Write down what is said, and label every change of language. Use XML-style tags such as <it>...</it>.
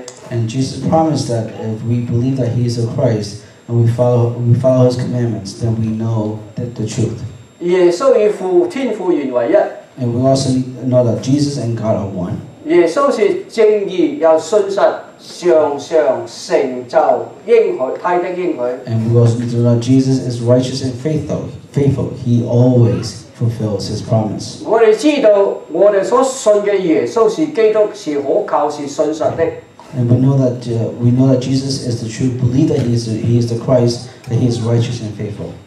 <en>And Jesus promised that if we believe that He is the Christ and we follow His commandments, then we know that the truth.</en> <zh>耶穌與父天父原為一。</zh> <en>And we also know that Jesus and God are one.</en> <zh>耶穌是正義又信實，常常成就應許，他的應許。</zh> <en>And we also know that Jesus is righteous and faithful. He always fulfills his promise.</en> <zh>我們知道我們所信的耶穌是基督，是可靠，是信實的。</zh> <en>And we know that Jesus is the truth, believe that he is the Christ, that he is righteous and faithful.</en>